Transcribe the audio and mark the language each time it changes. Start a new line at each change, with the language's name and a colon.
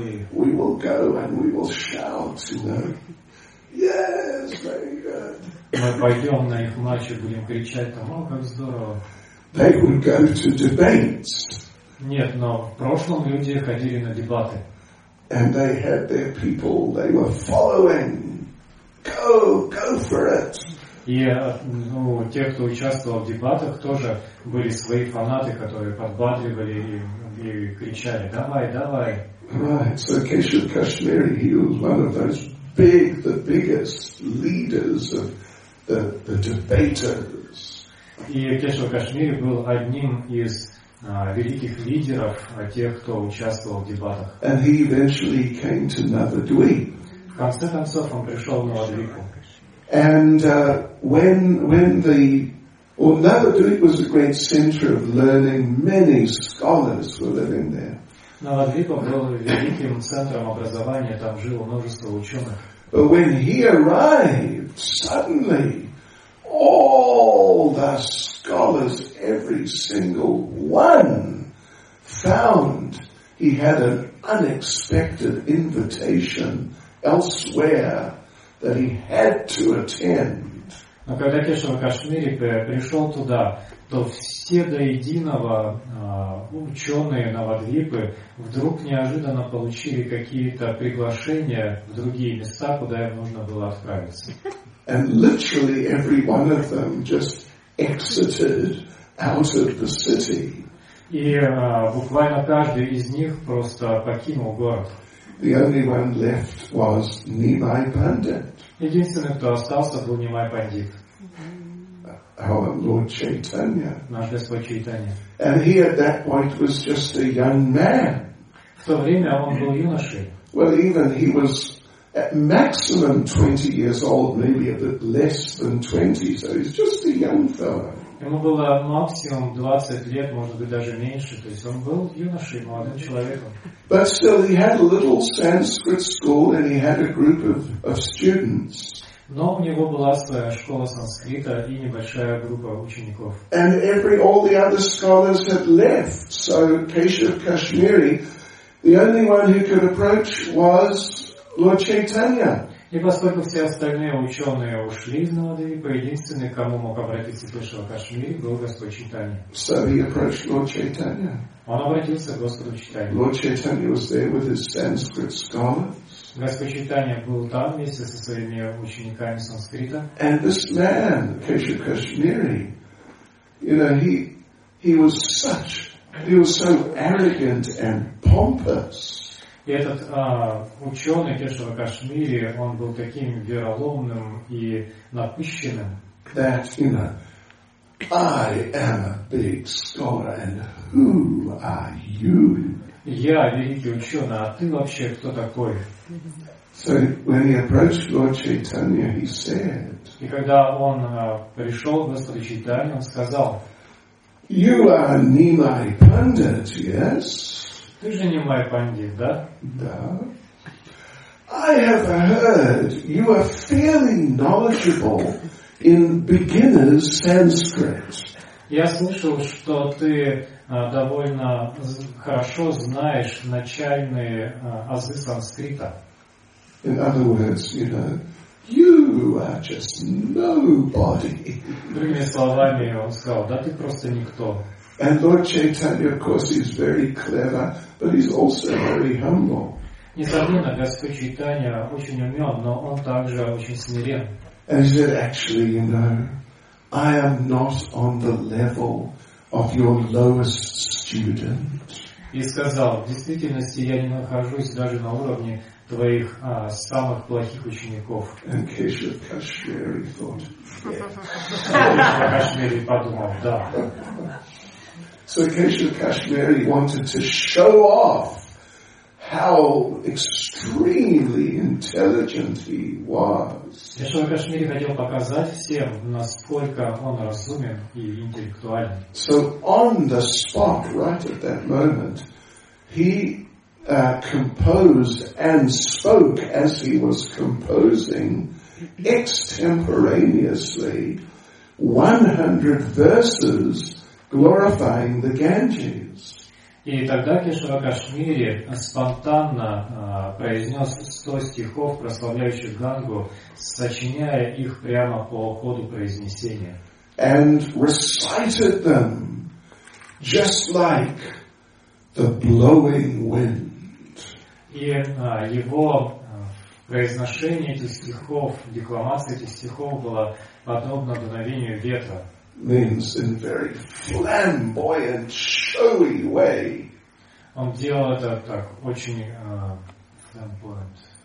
English: We will go and we will shout, you know. Yes, very good.
Russian: Мы пойдем на их матчи, будем кричать там, о, как здорово.
English: They would go to debates.
Russian: Нет, но в прошлом люди ходили на дебаты.
English: And they had their people, they were following. Go, go for it.
Russian: И те, кто участвовал в дебатах, тоже были свои фанаты, которые подбадривали и кричали, давай, давай.
English: Right, so Keshav Kashmiri, he was one of those big, the biggest leaders of the debaters.
Russian: И Кешав Кашмири был одним из великих лидеров, тех, кто участвовал в дебатах.
English: And he eventually came to Navadvipa.
Russian: В конце концов, он пришел в Навадвипу.
English: And when Navadvipa was a great center of learning, many scholars were living there.
Russian: Навадвипа был великим центром образования, там жило множество ученых.
English: But when he arrived, suddenly all the scholars, every single one, found he had an unexpected invitation elsewhere that he had to attend.
Russian: Но когда Кешава Кашмири пришел туда, то все до единого ученые Навадвипы вдруг неожиданно получили какие-то приглашения в другие места, куда им нужно было отправиться.
English: And literally every one of them just exited out of the city.
Russian: И буквально каждый из них просто покинул город.
English: The only one left was Nimai Pandit.
Russian: Единственный, кто остался, был Nimai Pandit.
English: Our Lord Chaitanya.
Russian: Наш Господь Чайтанья.
English: And he at that point was just a young man.
Russian: В то время он был юношей.
English: Well, even he was at maximum 20 years old, maybe a bit less than 20, so he's just a young fellow.
Russian: Ему было максимум 20 лет, может быть даже меньше, то есть он был юношей, молодым человеком.
English: But still, he had a little Sanskrit school, and he had a group of students.
Russian: Но у него была своя школа санскрита и небольшая группа учеников.
English: And all the other scholars had left, so Keshav Kashmiri, the only one who could approach was Lord Chaitanya.
Russian: И поскольку все остальные ученые ушли из Навадвипы, единственный, кому мог обратиться Кешава Кашмири, был Господь Чайтанья.
English: So he approached Lord Chaitanya.
Russian: Он обратился к Господу Чайтанье.
English: Lord Chaitanya was there with his Sanskrit scholars.
Russian: Господь Чайтанья был там вместе со своими учениками санскрита.
English: And this man, Keshav Kashmiri, you know, he was so arrogant and pompous.
Russian: И этот ученый Кешава Кашмири, он был таким вероломным и напыщенным.
English: That, you know, I am a big scholar, and who are you?
Russian: Я великий ученый, а ты вообще кто такой?
English: So when he approached Lord Chaitanya, he said.
Russian: И когда он пришел к Господу Чайтанье, он сказал:
English: You are Nimai Pandit, yes?
Russian: Ты же Nimai Pandit, да? Да.
English: I have heard you are fairly knowledgeable in beginner's Sanskrit.
Russian: Я слышал, что ты довольно хорошо знаешь начальные азы санскрита.
English: In other words, you know, you are just nobody.
Russian: Другими словами, он сказал, да ты просто никто.
English: And Lord Chaitanya, of course, is very clever, but he's also very humble.
Russian: Несомненно, Господь Чайтанья очень умен, но он также очень смирен.
English: And he said, actually, you know, I am not on the level of your lowest student.
Russian: И сказал, в действительности я не нахожусь даже на уровне твоих самых плохих учеников.
English: And Keshav Kashmiri thought,
Russian: Keshav Kashmiri подумал, да.
English: So Keshav Kashmiri wanted to show off how extremely intelligent he was.
Russian: Кешава Кашмири хотел показать всем, насколько он разумен и интеллектуален.
English: So on the spot, right at that moment, he composed and spoke as he was composing extemporaneously 100 verses glorifying the Ganges.
Russian: И тогда Кешава Кашмири спонтанно произнес 100 стихов, прославляющих Гангу, сочиняя их прямо по ходу произнесения.
English: And recited them just like the blowing wind.
Russian: И его произношение этих стихов, декламация этих стихов была подобна дуновению ветра.
English: Means in a very flamboyant, showy way.
Russian: Он делал это так очень flamboyant.